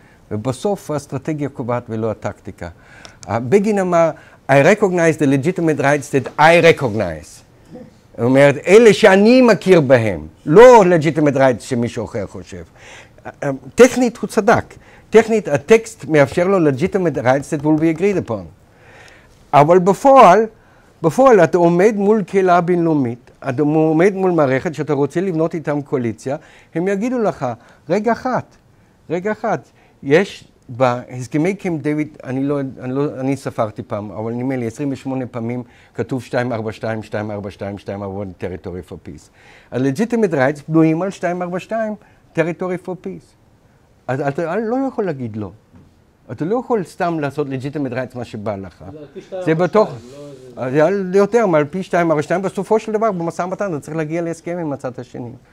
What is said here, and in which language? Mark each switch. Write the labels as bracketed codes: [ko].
[he] ובסוף האסטרטגיה קובעת ולא הטקטיקה. בגין אמר, [en] I recognize the legitimate rights that I recognize. [he] הוא אומר, אלה שאני מכיר בהם, לא [en] legitimate rights [he] שמישהו אחר חושב. טכנית הוא צדק. טכנית הטקסט מאפשר לו [en] legitimate rights that will be agreed upon. [he] אבל בפועל אתה עומד מול קהילה בינלאומית, אתה עומד מול מערכת שאתה רוצה לבנות איתם קואליציה, הם יגידו לך, רגע אחת, יש בהסכמי קמפ דיוויד, אני ספרתי פעם, אבל נדמה לי 28 פעמים כתוב 242, [en] territory for peace. [he] ה- [en] legitimate rights [he] בנויים על 242, [en] territory for peace. [he] אתה לא יכול להגיד לא. אתה לא יכול סתם לעשות [en] legitimate rights [he] מה שבא לך. זה בתוך, זה יותר מעל פי 242, בסופו של דבר במסע המתן אתה צריך להגיע להסכם עם הצד השני.